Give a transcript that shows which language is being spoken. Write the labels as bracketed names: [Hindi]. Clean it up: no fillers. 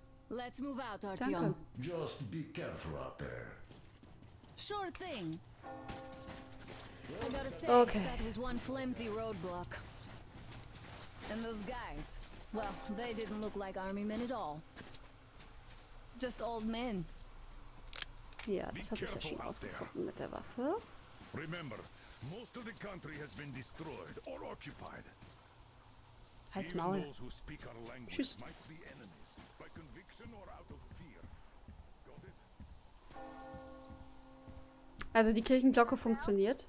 [English] Let's move out, Artyom. Just be careful out there. Sure thing. I gotta say, okay. That was one flimsy roadblock. And those guys. Well, they didn't look like army men at all. Just old men. [German] Yeah, das hat sich ja schon ausgeguckt mit der Waffe. [English] Remember, most of the country has been destroyed or occupied. [German] Halt's Maul. [English] Those who speak our language might be enemies, by conviction or out of fear. Got it? [German] Also die Kirchenglocke funktioniert.